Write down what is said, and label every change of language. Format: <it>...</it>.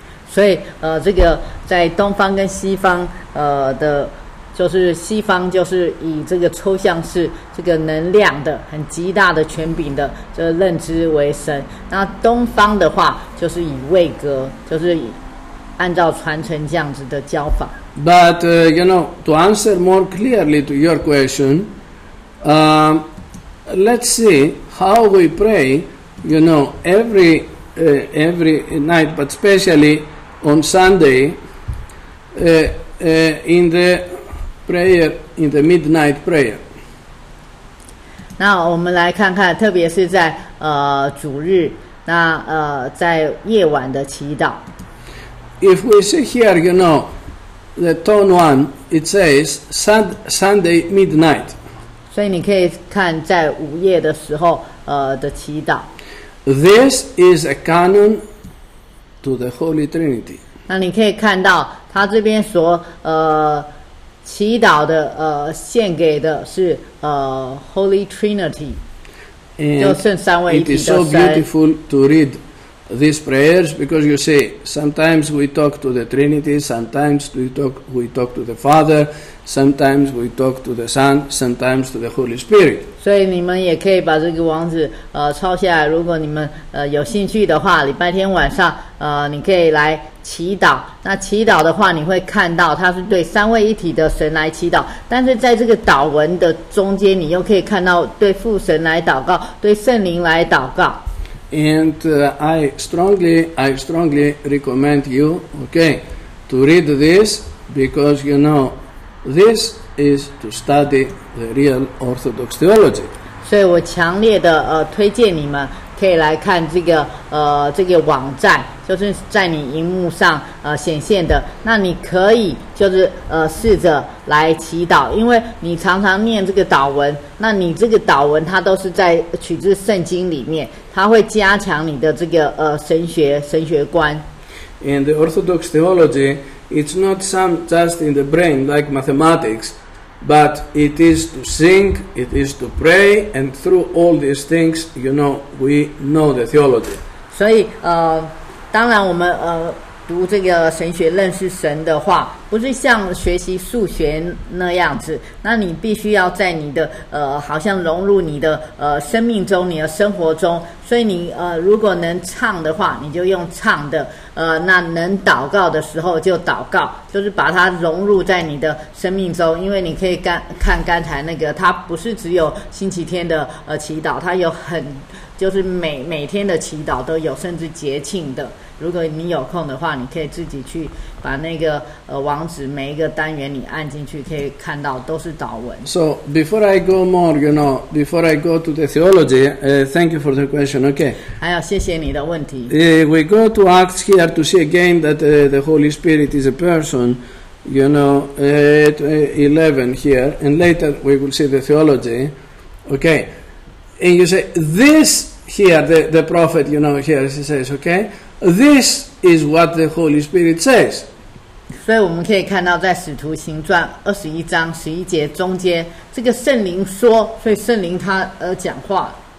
<zh>所以这个在东方跟西方的，就是西方就是以这个抽象式这个能量的很极大的权柄的这个认知为神，那东方的话就是以位格，就是以按照传承这样子的教法。</zh> <en>But you know, to answer more clearly to your question, let's see how we pray, you know, every night, but especially on Sunday, in theprayer, in the midnight prayer.</en> <zh>那我们来看看，特别是在主日，那在夜晚的祈祷。</zh> <en>If we see here, you know, the tone one, it says Sunday midnight.</en> <zh>所以你可以看在午夜的时候的祈祷。</zh> <en>This is a canon to the Holy Trinity.</en> <zh>那你可以看到他这边说祈祷的献给的是Holy Trinity, 就圣三位一体的神。</zh> <en>It is so beautiful to read these prayers because you see, sometimes we talk to the Trinity, sometimes we talk to the Father, sometimes we talk to the Son, sometimes to the Holy Spirit.</en> <zh>所以你们也可以把这个网址抄下来，如果你们有兴趣的话，礼拜天晚上你可以来祈祷。那祈祷的话，你会看到他是对三位一体的神来祈祷，但是在这个祷文的中间，你又可以看到对父神来祷告，对圣灵来祷告。</zh> <en>And I strongly recommend you, okay, to read this because you know this is to study the real Orthodox theology.</en> <zh>所以我强烈的推荐你们可以来看这个网站，就是在你荧幕上显现的，那你可以就是试着来祈祷，因为你常常念这个祷文，那你这个祷文它都是在取自圣经里面，它会加强你的这个神学观。</zh> <en>And the Orthodox theology, it's not some just in the brain like mathematics, but it is to sing, it is to pray, and through all these things, you know, we know the theology.</en> <zh>所以当然我们读这个神学认识神的话，不是像学习数学那样子，那你必须要在你的好像融入你的生命中，你的生活中，所以你如果能唱的话你就用唱的，那能祷告的时候就祷告，就是把它融入在你的生命中，因为你可以看刚才那个，它不是只有星期天的祈祷，它有很就是每天的祈祷都有，甚至节庆的，如果你有空的话，你可以自己去把那个网网址，每一个单元你按进去可以看到都是祷文。</zh> <en>So before I go more, you know, before I go to the theology, thank you for the question, okay.</en> <zh>还有谢谢你的问题。</zh> <en>We go to Acts here to see again that the Holy Spirit is a person, you know, 11 here, and later we will see the theology, okay. And you say, this here, the prophet, you know, here he says, okay, this is what the Holy Spirit says.</en> <zh>所以我们可以看到在使徒行传21章11节中间，这个圣灵说，所以圣灵他而讲话。</zh>